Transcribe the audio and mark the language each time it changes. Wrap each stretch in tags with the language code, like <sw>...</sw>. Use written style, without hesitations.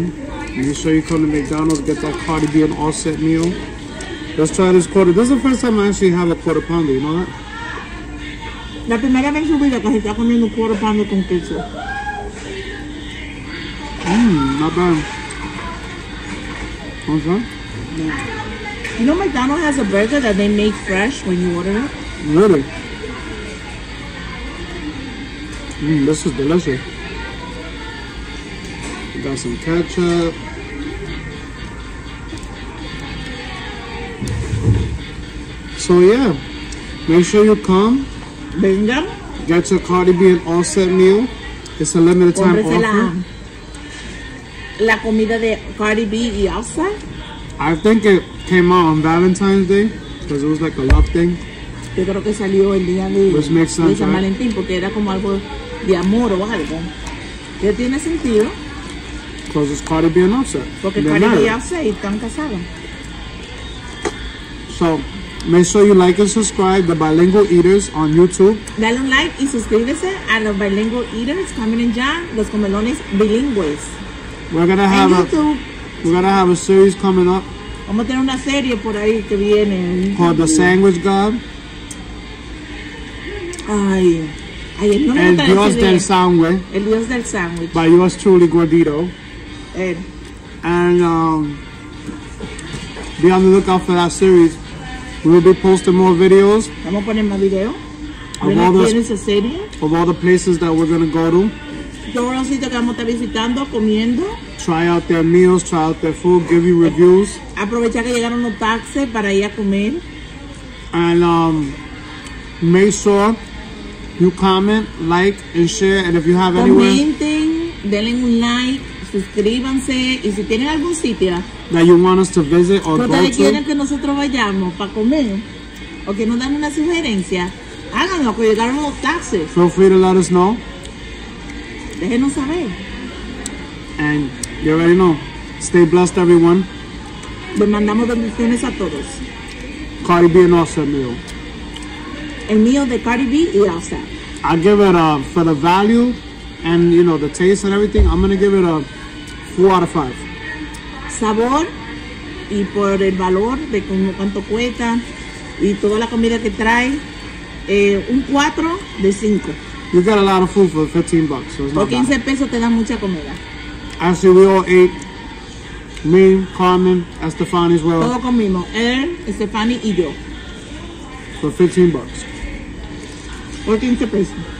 <en>Make sure you come to McDonald's, get that Cardi B and Offset meal. Let's try this quarter. This is the first time I actually have a quarter pounder, you know that?</en> <es>La primera vez en su vida que se está comiendo un quarter pounder con queso.</es> <en>Not bad. Okay. Yeah. You know McDonald's has a burger that they make fresh when you order it? Really? This is delicious. We got some ketchup. So yeah, make sure you come.</en> <es>Venga.</es> <en>Get your Cardi B and Offset meal. It's a limited time offer.</en> <es>La comida de Cardi B y Offset.</es> <en>I think it came out on Valentine's Day because it was like a love thing.</en> <es>Yo creo que salió el día de</es> <en>which makes sense,</en> <es>de San Valentín porque era como algo de amor o algo. ¿Qué tiene sentido?</es> <en>Because it's Cardi B and Offset.</en> <es>Porque Cardi B y Offset están casados.</es> <en>So. Make sure you like and subscribe the Bilingual Eaters on YouTube.</en> <es>Dale un like y suscríbese a los Bilingual Eaters.</es> <en>Coming in John,</en> <es>los comelones bilingües.</es> <en>We're gonna have YouTube. We're gonna have a series coming up.</en> <es>Vamos a tener una serie por ahí que viene.</es> <en>Called The Sandwich God.</en> <es>Ay, no me gusta. El Dios del Sandwich. El Dios del Sandwich.</es> <en>By yours truly, Gordito. And be on the lookout for that series. We will be posting more videos.</en> <es>Vamos a poner más videos.</es> <en>Of all the places that we're going to go to.</en> <es>Todos los sitios que vamos a estar visitando, comiendo.</es> <en>Try try out their meals, try out their food, give you reviews.</en> <es>Aprovecha que llegaron los taxis para ir a comer.</es> <en>And make sure you comment, like, and share. And if you have anywhere,</en> <es>comenten, denle un like, suscríbanse. Y si tienen algún sitio</es> <en>that you want us to visit or go to,</en> <es>quieren que nosotros vayamos para comer o que nos dan una sugerencia, háganlo, que llegaron los taxis.</es> <en>Feel free to let us know.</en> <es>Déjenos saber.</es> <en>And you already know. Stay blessed, everyone.</en> <es>Les mandamos bendiciones a todos.</es> <en>Cardi B and Offset meal.</en> <es>El meal de Cardi B y Offset.</es> <en>I give it a, for the value and, you know, the taste and everything, I'm going to give it a 4 out of 5.</en> <es>Sabor y por el valor de como cuánto cuesta y toda la comida que trae, un 4 de 5.</es> <en>You got a lot of food for $15, so it's not bad.</en> <es>15 pesos te dan mucha comida.</es> <en>Actually, we all ate. Me, Carmen, Estefani as well.</en> <es>Todo comimos. Él, Estefani y yo.</es> <en>For $15.</en> <es>Por 15 pesos.</es>